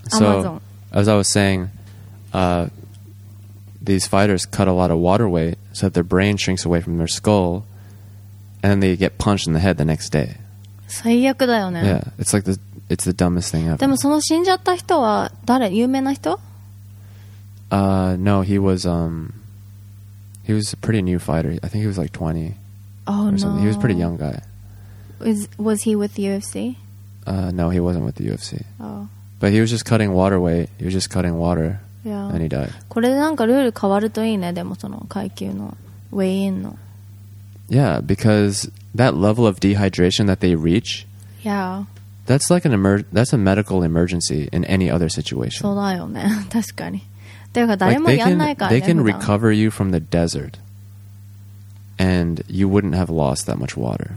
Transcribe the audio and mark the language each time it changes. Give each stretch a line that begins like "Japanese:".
English: So, as I was saying, these fighters cut a lot of water weight so that their brain shrinks away from their skull, and then they get punched in the head the next day.
Japanese: 最悪だよね.
English: Yeah, it's like the. It's the dumbest thing ever.
Japanese: でもその死んじゃった人は誰？有名な人？
English: No, he was a pretty new fighter. I think he was like 20. Oh, or no. He was a pretty young guy. Was he with the UFC? No, he wasn't with the UFC. Oh. But he was just cutting water weight. He was just cutting water. Yeah. And he died.
Japanese: これでなんかルール変わるといいね。でもその階級のウェイインの。
English: Yeah, because that level of dehydration that they reach. Yeah. That's like an that's a medical emergency in any other situation.
Japanese: そうだよね、確かに。てか誰もやんないからね。
English: They can recover you from the desert, and you wouldn't have lost that much water.